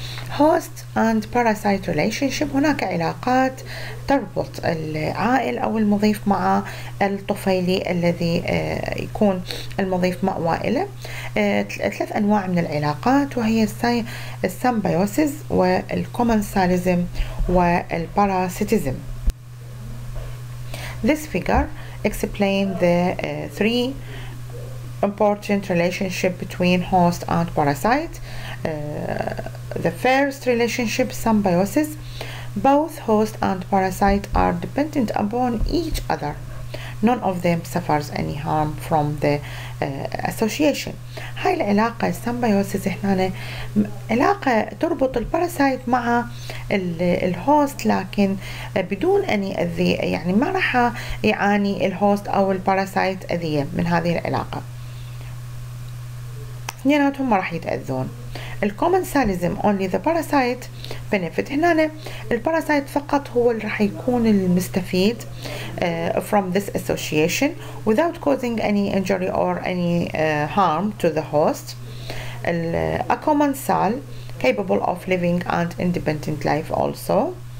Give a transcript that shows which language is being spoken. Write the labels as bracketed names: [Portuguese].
[English] Host and parasite relationship، [Arabic] هناك علاقات تربط العائل أو المضيف مع الطفيلي الذي يكون المضيف مأوى له. ثلاث أنواع من العلاقات وهي السيمبيوسيس والكومنساليزم والباراسيتيزم. [English] This figure explains the three important relationship between host and parasite. The first relationship, symbiosis. Both host and parasite are dependent upon each other. None of them suffers any harm from the association. [Arabic] هاي العلاقة symbiosis إحنا علاقة تربط الباراسايت مع الهوست لكن بدون أن يأذي، يعني ما راح يعاني الهوست أو الباراسايت أذية من هذه العلاقة. اثنيناتهم ما راح يتأذون. الكومنساليزم [English] only the parasite benefit، [Arabic] هنا الباراسايت فقط هو اللي راح يكون المستفيد [English] from this association without causing any injury or any harm to the host. A commensal capable of living and independent life also.